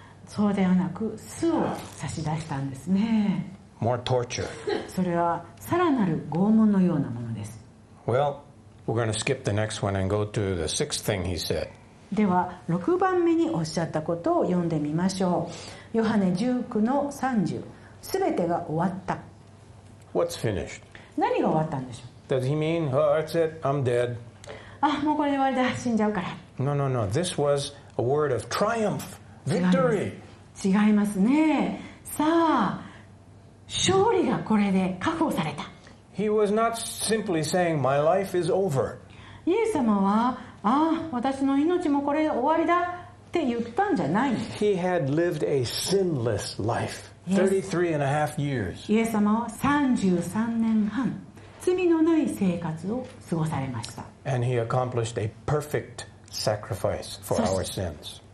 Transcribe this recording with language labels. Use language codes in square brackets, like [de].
[ja] そうではなく、酢を差し出したんですね。 [en] More torture. [ja] それはさらなる拷問のようなものです。 [en] Well,We're going to skip the next one and go to the sixth thing he said. [ja] では6番目におっしゃったことを読んでみましょう。ヨハネ19の30。すべてが終わった。 [en] What's finished? [ja] 何が終わったんでしょう。 [en] Does he mean, oh, that's it, I'm dead? [ja] あ、もうこれで終わりだ、死んじゃうから。 [en] No, no, no. This was a word of triumph, victory. [ja] 違いますね。さあ、勝利がこれで確保された。 [en] He was not simply saying, "My life is over." [ja] イエス様は、ああ、私の命もこれで終わりだっって言ったんじゃない。 [en] He had lived a sinless life. 33 and a half years. [ja] イエス様は33年半、罪のない生活を過ごされました。 [en] And he accomplished a perfect sacrifice for our sins.